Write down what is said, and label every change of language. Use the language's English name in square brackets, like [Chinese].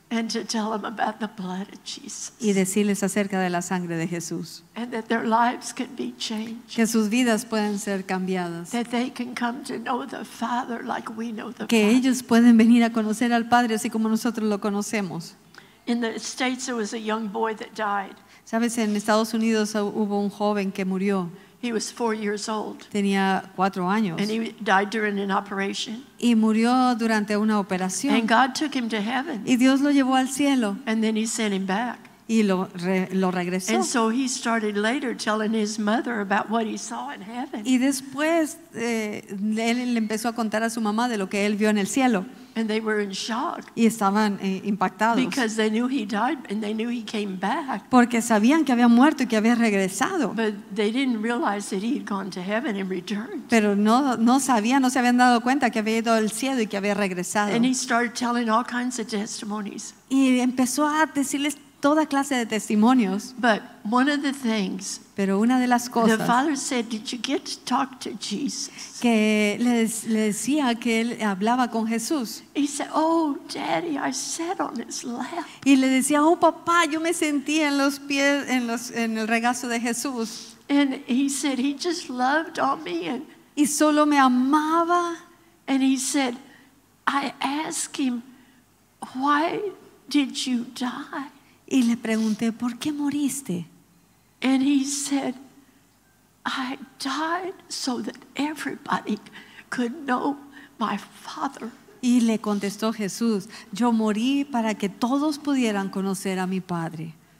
[English] And to tell them about the blood of Jesus. [Spanish] Y decirles acerca de la sangre de Jesús. [English] And that their lives can be changed. [Spanish] Que sus vidas pueden ser cambiadas. [English] That they can come to know the Father like we know the Father. [Spanish] Que ellos pueden venir a conocer al Padre así como nosotros lo conocemos. [English] In the States, there was a young boy that died. [Spanish] Sabes, en Estados Unidos hubo un joven que murió. [English] He was 4 years old. [Spanish] Tenía 4 años. [English] And he died during an operation. [Spanish] Y murió durante una operación. [English] And God took him to heaven. [Spanish] Y Dios lo llevó al cielo. [English] And then he sent him back. [Spanish] Y lo regresó. [English] And so he started later telling his mother about what he saw in heaven. [Spanish] Y después él le empezó a contar a su mamá de lo que él vio en el cielo. [English] And they were in shock. [Spanish] Y estaban impactados. [English] Because they knew he died and they knew he came back. [Spanish] Porque sabían que había muerto y que había regresado. [English] But they didn't realize that he had gone to heaven and returned. [Spanish] Pero no sabían, no se habían dado cuenta que había ido al cielo y que había regresado. [English] And he started telling all kinds of testimonies. [Spanish] Y empezó a decirles toda clase de testimonios. [English] But one of the things, [Spanish] pero una de las cosas, [English] the father said, "Did you get to talk to Jesus?" [Spanish] Que le decía que él hablaba con Jesús. [English] He said, "Oh, Daddy, I sat on his lap." [Spanish] Y le decía, "Oh, papá, yo me sentí en los pies, en el regazo de Jesús." [English] And he said, "He just loved on me." And, [Spanish] y solo me amaba. [English] And he said, "I asked him, why did you die?" [Spanish] Y le pregunté, ¿por qué moriste? [English] And he said, "I died so that everybody could know my father." [Spanish] Y le contestó Jesús, "Yo morí para que todos pudieran conocer a mi padre."